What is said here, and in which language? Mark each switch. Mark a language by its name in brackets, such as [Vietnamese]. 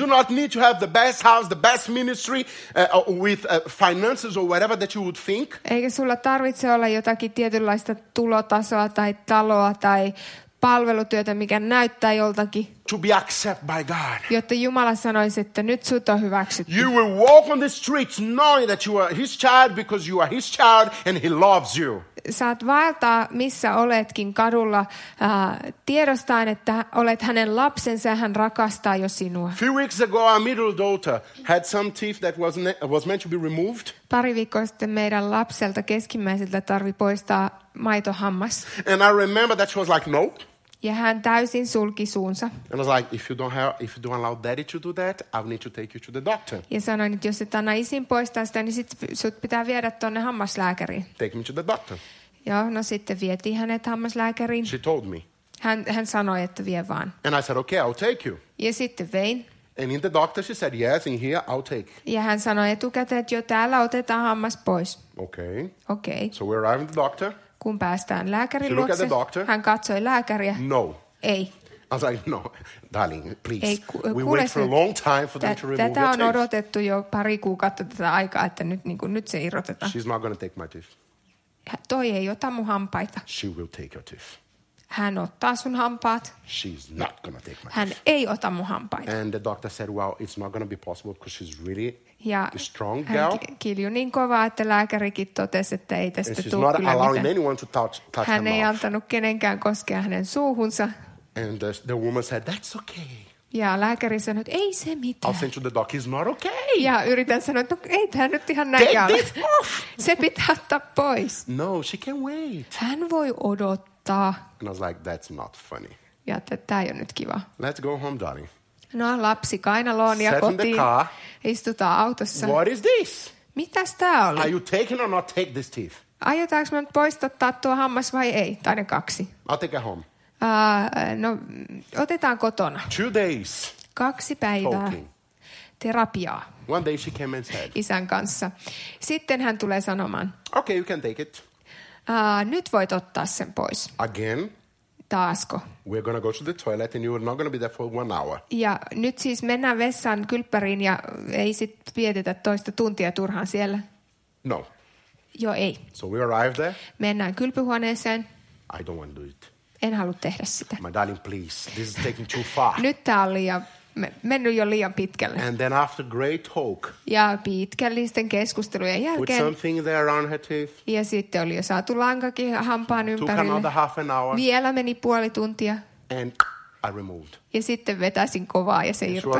[English] You do not need to have the best house, the best ministry with finances or whatever that you would think. [Finnish] Eikä sulla tarvitse olla jotakin tietynlaista tulotasoa tai taloa tai palvelutyötä, mikä näyttää joltakin. [English] To be accepted by God. [Finnish] Jotta Jumala sanoisi, että nyt sut on hyväksytty. [English] You will walk on the streets knowing that you are his child because you are his child and he loves you. [Finnish] Saat vaeltaa missä oletkin kadulla tiedostaen, että olet hänen lapsensa ja hän rakastaa jo sinua. [English] Few weeks ago our middle daughter had some teeth that was meant to be removed. [Finnish] Pari viikkoa sitten meidän lapselta keskimmäiseltä tarvi poistaa maitohammas. [English] And I remember that she was like, no. [Finnish] Ja hän täysin sulki suunsa. [English] And I was like, if you don't allow daddy to do that, I need to take you to the doctor. [Finnish] Ja sanoin, että jos et anna isin poistaa sitä, niin sit sut pitää viedä tonne hammaslääkäriin. [English] Take me to the doctor. [Finnish] Joo, no sitten vietiin hänet hammaslääkäriin. [English] She told me. [Finnish] Hän sanoi, että vie vaan. [English] And I said, okay, I'll take you. [Finnish] Ja sitten vein. [English] And in the doctor she said, yes, in here, I'll take. [Finnish] Ja hän sanoi etukäteen, että jo täällä otetaan hammas pois. [English] Okay. Okay. So we arrived at the doctor. [Finnish] Kun päästään lääkärin luokse, hän katsoi lääkäriä. [English] No. [Finnish] Ei. [English] I was like, no, darling, please. [Finnish] Ei, [English] we waited for a long time for them to remove your teeth. [Finnish] Tätä on odotettu jo pari kuukautta tätä aikaa, että nyt, niin kuin, nyt se irrotetaan. [English] She's not going to take my teeth. [Finnish] Toi ei ota mun hampaita. [English] She will take your teeth. [Finnish] Hän ottaa sun hampaat. [English] She's not going to take my [Finnish] hän [English] teeth. [Finnish] Ei ota mun hampaita. [English] And the doctor said, well, it's not going to be possible because she's really... [Finnish] Ja [English] strong [Finnish] hän kiljui niin kovaa, että lääkärikin totesi, että ei tästä tule kyllä mitään. Hän ei antanut kenenkään koskea hänen suuhunsa. [English] And the woman said, that's okay. [Finnish] Ja lääkäri sanoi, että ei se mitään. [English] I'll send you the doc, he's not okay. [Finnish] Ja yritän sanoa, että no, ei tämä nyt ihan näin ole. Se pitää ottaa pois. [English] No, she can wait. [Finnish] Hän voi odottaa. [English] And I was like, that's not funny. [Finnish] Ja tämä ei ole nyt kiva. [English] Let's go home, darling. [Finnish] No, lapsi kainaloon ja kotiin. Istutaan autossa. [English] What is this? [Finnish] Mitäs tää oli? [English] Are you taking or not take this teeth? [Finnish] Aiotaanko mä nyt poistottaa tuo hammas vai ei? Tai ne kaksi. [English] I'll take it home. [Finnish] No, otetaan kotona. [English] 2 days. [Finnish] 2 päivää. [English] Talking. [Finnish] Terapiaa. [English] One day she came and said. [Finnish] Isän kanssa. Sitten hän tulee sanomaan. [English] Okay, you can take it. [Finnish] Nyt voit ottaa sen pois. [English] Again. [Finnish] Taasko. [English] We're going to go to the toilet and you're not going to be there for 1 hour. [Finnish] Ja nyt siis mennään vessan kylppäriin ja ei sit vietetä toista tuntia turhaan siellä. [English] No. [Finnish] Joo, ei. [English] So we arrive there. [Finnish] Mennään kylpyhuoneeseen. [English] I don't want to do it. [Finnish] en halua tehdä sitä. [English] My darling, please, this is taking too far. [Finnish] Nyt tää on liian, mennyt jo liian pitkälle. [English] And then after great talk. [Finnish] Ja pitkällisten keskustelujen jälkeen. [English] With something there on her teeth. [Finnish] Ja sitten oli jo saatu lankakin hampaan ympärille. [English] Took another half an hour. [Finnish] Vielä meni puoli tuntia. [English] And I removed. [Finnish] Ja sitten vetäsin kovaa ja se irtosi.